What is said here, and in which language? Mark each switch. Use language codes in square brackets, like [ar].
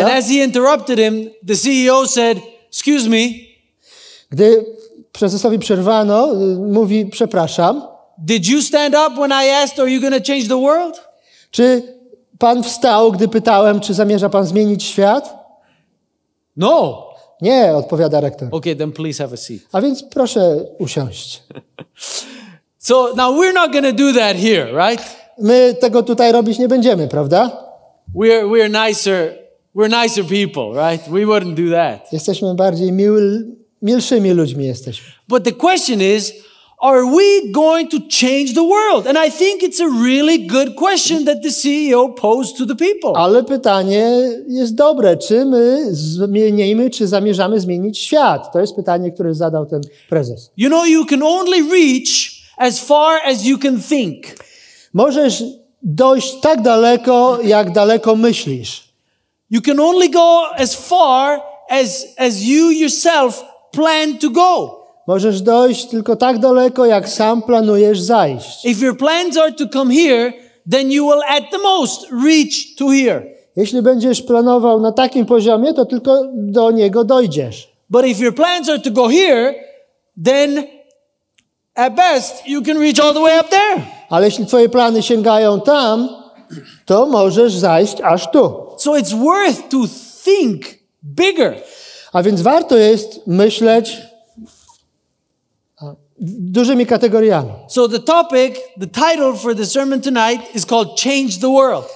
[en] And as he interrupted him, the CEO said, excuse me. [pl] Gdy prezesowi przerwano, mówi, przepraszam. [en] Did you stand up when I asked, are you going to change the world? [pl] Czy pan wstał, gdy pytałem, czy zamierza pan zmienić świat? [en] No. [pl] Nie, odpowiada rektor. [en] Okay, then please have a seat. [pl] A więc proszę usiąść. [en] So now we're not going to do that here, right? [pl] My tego tutaj robić nie będziemy, prawda? [en] We're nicer people, right? We wouldn't do that. [pl] Jesteśmy bardziej milszymi ludźmi jesteśmy. [en] But the question is, Are we going to change the world? And I think it's a really good question that the CEO posed to the people. [pl] Ale pytanie jest dobre. Czy my zmienimy, czy zamierzamy zmienić świat? To jest pytanie, które zadał ten prezes. [en] You know, you can only reach as far as you can think. [pl] Możesz dojść tak daleko, jak daleko myślisz. [en] You can only go as far as you yourself plan to go. [pl] Możesz dojść tylko tak daleko, jak sam planujesz zajść. [en] If your plans are to come here, then you will at the most reach to here. [pl] Jeśli będziesz planował na takim poziomie, to tylko do niego dojdziesz. [en] But if your plans are to go here, then at best you can reach all the way up there. [pl] Ale jeśli twoje plany sięgają tam, to możesz zajść aż tu. [en] So it's worth to think bigger. [pl] A więc warto jest myśleć dużymi kategoriami. [en] So the topic, the title for the sermon tonight is called Change the World.